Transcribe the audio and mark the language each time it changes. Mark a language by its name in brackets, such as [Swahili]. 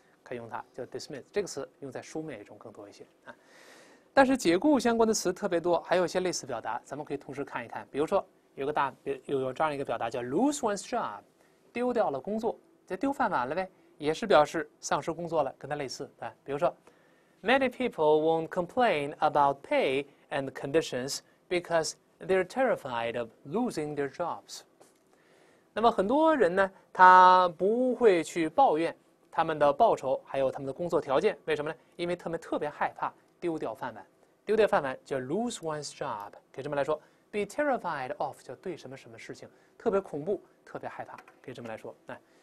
[Chinese] 可以用它，叫 dismiss 这个词，用在书面语中更多一些啊。但是解雇相关的词特别多，还有一些类似表达，咱们可以同时看一看。比如说，有这样一个表达叫 [English] lose one's job， [Chinese] 丢掉了工作，就丢饭碗了呗。也是表示丧失工作了，跟它类似，对。比如说 [English] ，Many people won't complain about pay and conditions because they're terrified of losing their jobs。 [Chinese] 那么很多人呢，他不会去抱怨他们的报酬还有他们的工作条件，为什么呢？因为他们特别害怕丢掉饭碗。丢掉饭碗叫 [English] lose one's job， [Chinese] 可以这么来说 ， [English] be terrified of [Chinese] 叫对什么什么事情特别恐怖、特别害怕，可以这么来说，对。